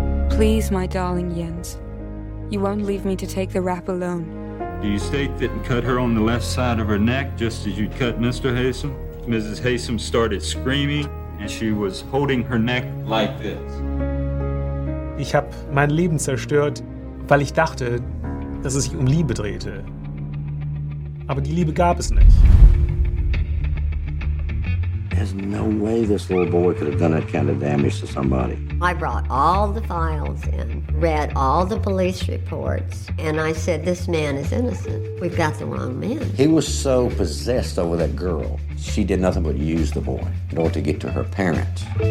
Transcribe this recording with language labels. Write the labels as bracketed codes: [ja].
[en] Please, my darling Jens, you won't leave me to take the rap alone. Do you state that and cut her on the left side of her neck just as you'd cut Mr. Hasten? Mrs. Hasten started screaming and she was holding her neck like this. [de] Ich hab mein Leben zerstört, weil ich dachte, dass es sich Liebe drehte. Aber die Liebe gab es nicht. [en] There's no way this little boy could have done that kind of damage to somebody. I brought all the files in, read all the police reports, and I said, this man is innocent. We've got the wrong man. He was so possessed over that girl, she did nothing but use the boy in order to get to her parents.